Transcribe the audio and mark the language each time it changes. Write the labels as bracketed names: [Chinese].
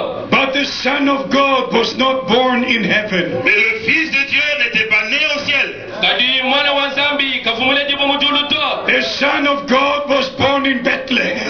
[English] But the Son of God was not born in heaven. [French] Mais le Fils de Dieu n'était pas né au ciel. [English] The Son of God was born in Bethlehem.